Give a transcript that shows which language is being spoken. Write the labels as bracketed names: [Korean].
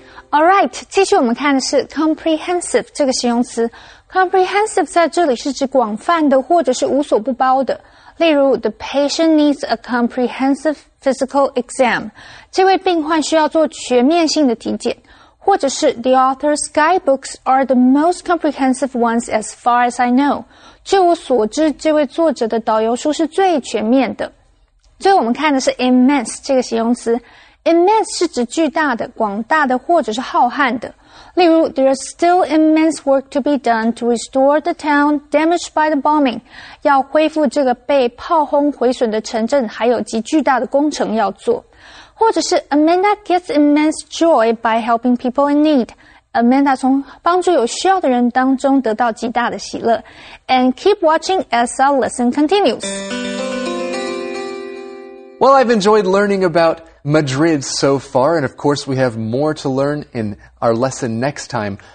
[English] All right， [Chinese] 继续我们看的是 comprehensive 这个形容词。 Comprehensive 在这里是指广泛的或者是无所不包的。例如 [English] ,the patient needs a comprehensive physical exam. [Chinese] 这位病患需要做全面性的体检。或者是 [English] ,the author's guidebooks are the most comprehensive ones as far as I know. [Chinese] 据我所知这位作者的导游书是最全面的。最后我们看的是 immense 这个形容词。Immense 是指巨大的、广大的或者是浩瀚的。例如 [English] ,there is still immense work to be done to restore the town damaged by the bombing. [Chinese] 要恢复这个被炮轰毁损的城镇，还有极巨大的工程要做。或者是 [English] ,Amanda gets immense joy by helping people in need. [Chinese] Amanda 从帮助有需要的人当中得到极大的喜乐。 [English] And keep watching as our lesson continues. Well, I've enjoyed learning about Madrid so far, and of course we have more to learn in our lesson next time.